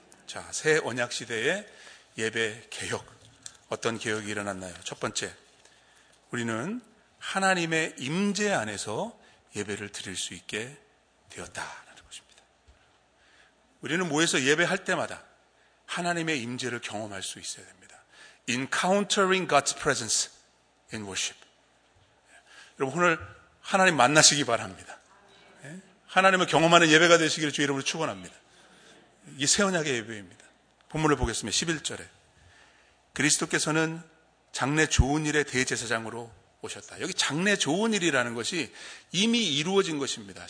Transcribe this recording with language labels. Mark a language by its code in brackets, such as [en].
[ko] 자, 새 언약 시대의 예배 개혁, 어떤 개혁이 일어났나요? 첫 번째, 우리는 하나님의 임재 안에서 예배를 드릴 수 있게 되었다라는 것입니다. 우리는 모여서 예배할 때마다 하나님의 임재를 경험할 수 있어야 됩니다. [en] Encountering God's presence in worship. [ko] 여러분 오늘 하나님 만나시기 바랍니다. 하나님을 경험하는 예배가 되시기를 주의 이름으로 축원합니다. 이 새 언약의 예배입니다. 본문을 보겠습니다. 11절에 그리스도께서는 장래 좋은 일의 대제사장으로 오셨다. 여기 장래 좋은 일이라는 것이 이미 이루어진 것입니다.